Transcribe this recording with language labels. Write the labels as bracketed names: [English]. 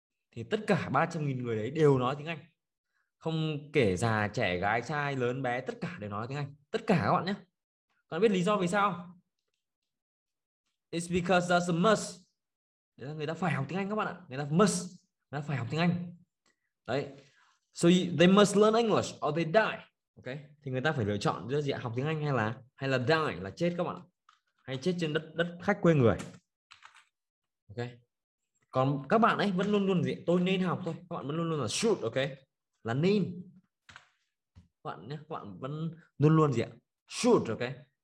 [Vietnamese] Thì tất cả 300.000 người đấy đều nói tiếng Anh. Không kể già, trẻ, gái, trai, lớn, bé, tất cả đều nói tiếng Anh. Tất cả các bạn nhé. Các bạn biết lý do vì sao? [English] It's because that's a must. [Vietnamese] Đấy là người ta phải học tiếng Anh các bạn ạ. Người ta must. Người ta phải học tiếng Anh. Đấy. [English] So they must learn English or they die. Okay. [Vietnamese] Thì người ta phải lựa chọn giữa gì ạ? Học tiếng Anh hay là die, là chết các bạn ạ. Hay chết trên đất khách quê người. Ok. Còn các bạn ấy vẫn luôn luôn gì? Tôi nên học thôi. Các bạn vẫn luôn luôn là should, ok? Là nên. Các bạn nhé, các bạn vẫn luôn luôn gì ạ? Should, ok?